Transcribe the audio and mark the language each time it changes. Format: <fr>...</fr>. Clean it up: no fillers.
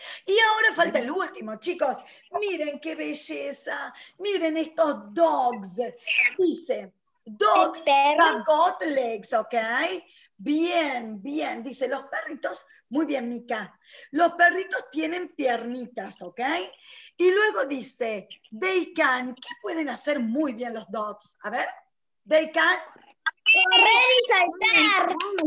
<es>Y ahora falta el último, chicos. Miren qué belleza. Miren estos dogs. Dice,</es> <en>dogs have got legs, ok.</en> <es>Bien, bien. Dice, los perritos, muy bien, Mika. Los perritos tienen piernitas, ok. Y luego dice,</es> <en>they can,</en> <es>¿qué pueden hacer muy bien los dogs? A ver,</es> <en>they can...</en> <es>Correr y saltar.</es>